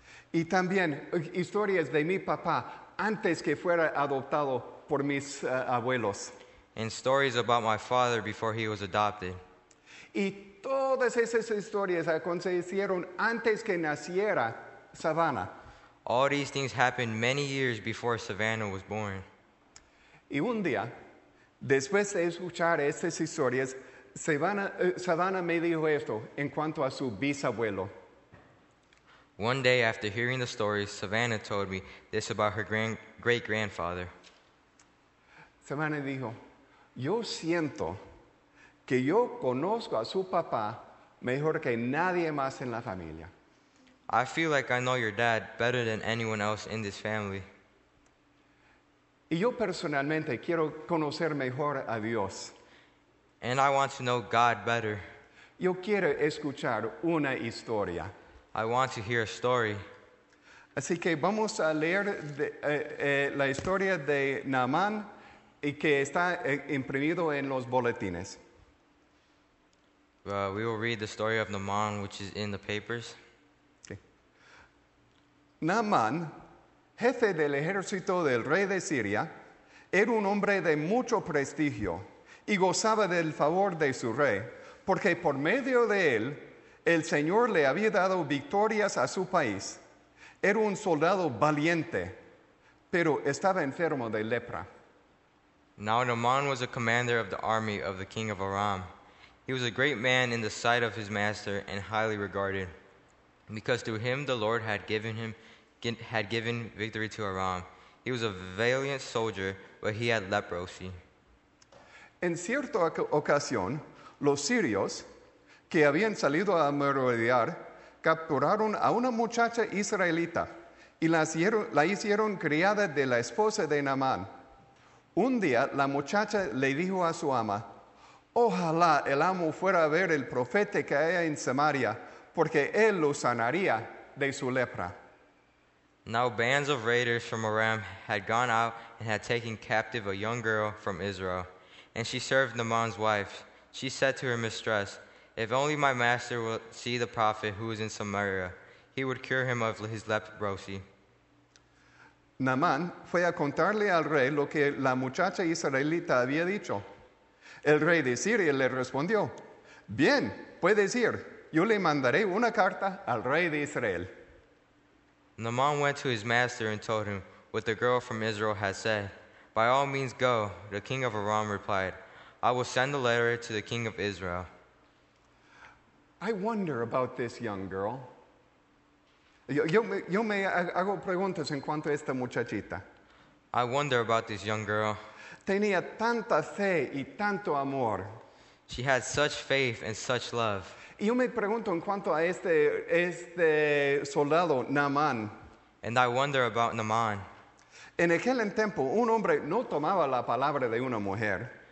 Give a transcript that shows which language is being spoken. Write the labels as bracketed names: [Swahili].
[Spanish] Y también historias de mi papá antes que fuera adoptado por mis abuelos. [English] And stories about my father before he was adopted. [Spanish] Y todas esas historias acontecieron antes que naciera Savannah. [English] All these things happened many years before Savannah was born. [Spanish] Y un día, después de escuchar estas historias, Savannah me dijo esto en cuanto a su bisabuelo. [English] One day after hearing the stories, Savannah told me this about her great-grandfather. [Spanish] Savannah dijo, yo siento que yo conozco a su papá mejor que nadie más en la familia. [English] I feel like I know your dad better than anyone else in this family. [Spanish] Y yo personalmente quiero conocer mejor a Dios. [English] And I want to know God better. [Spanish] Yo quiero escuchar una historia. [English] I want to hear a story. [Spanish] Así que vamos a leer la historia de Naamán y que está imprimido en los boletines. [English] We will read the story of Naamán, which is in the papers. [Spanish] Naamán, jefe del ejército del rey de Siria, era un hombre de mucho prestigio y gozaba del favor de su rey, porque por medio de él, el Señor le había dado victorias a su país. Era un soldado valiente, pero estaba enfermo de lepra. [English] Now Naamán was a commander of the army of the king of Aram. He was a great man in the sight of his master and highly regarded, because to him the Lord had given victory to Aram. He was a valiant soldier, but he had leprosy. [Spanish] En cierta ocasión, los sirios, que habían salido a merodear, capturaron a una muchacha israelita y la hicieron criada de la esposa de Naamán. Un día, la muchacha le dijo a su ama, ojalá el amo fuera a ver el profeta que hay en Samaria, porque él lo sanaría de su lepra. [English] Now bands of raiders from Aram had gone out and had taken captive a young girl from Israel, and she served Naaman's wife. She said to her mistress, if only my master will see the prophet who is in Samaria, he would cure him of his leprosy. [Spanish] Naamán fue a contarle al rey lo que la muchacha israelita había dicho. El rey de Siria le respondió, bien, puedes ir. Yo le mandaré una carta al rey de Israel. [English] Naamán went to his master and told him what the girl from Israel had said. By all means go, the king of Aram replied. I will send a letter to the king of Israel. I wonder about this young girl. [Spanish] Yo me hago preguntas en cuanto a esta muchachita. [English] I wonder about this young girl. [Spanish] Tenía tanta fe y tanto amor. [English] She had such faith and such love. [Spanish] Y yo me pregunto en cuanto a este soldado, Naamán. [English] And I wonder about Naamán. [Spanish] En aquel tiempo, un hombre no tomaba la palabra de una mujer.